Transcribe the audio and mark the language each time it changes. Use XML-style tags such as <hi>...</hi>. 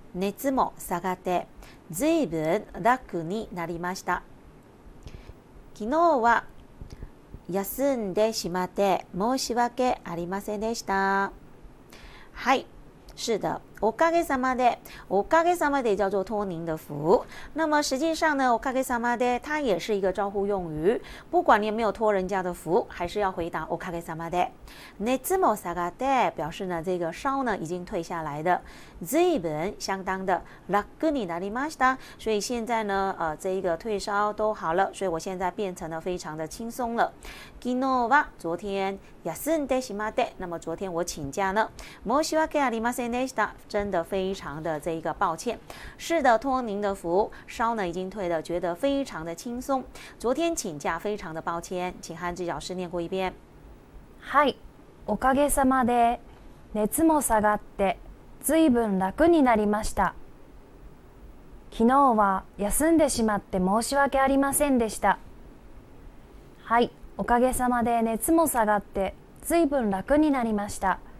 <ja>熱も下がって、ずいぶん楽になりました。昨日は休んでしまって申し訳ありませんでした。</ja> <zh>はい、是的。</zh> <ja>おかげさまで、おかげさまで</ja> <zh>叫做托您的福。那么实际上呢，</zh> <ja>おかげさまで</ja> <zh>它也是一个招呼用语。不管你有没有托人家的福，还是要回答</zh> <ja>おかげさまで。熱も下がって</ja> <zh>表示呢，这个烧呢已经退下来的。</zh> <ja>随分</ja> <zh>相当的</zh> <ja>楽になりました。</ja> <zh>所以现在呢，这一个退烧都好了，所以我现在变成了非常的轻松了。</zh> <ja>昨日は</ja> <zh>昨天</zh> <ja>休んでしまって，</ja> <zh>那么昨天我请假呢，</zh> <ja>申し訳ありませんでした。</ja> <zh>真的非常的这一个抱歉，是的，托您的福，烧呢已经退了，觉得非常的轻松。昨天请假，非常的抱歉，请韩志老师念过一遍。</zh> <ja>はい、おかげさまで熱も下がって随分楽になりました。昨日は休んでしまって申し訳ありませんでした。はい、おかげさまで熱も下がって随分楽になりました。</ja>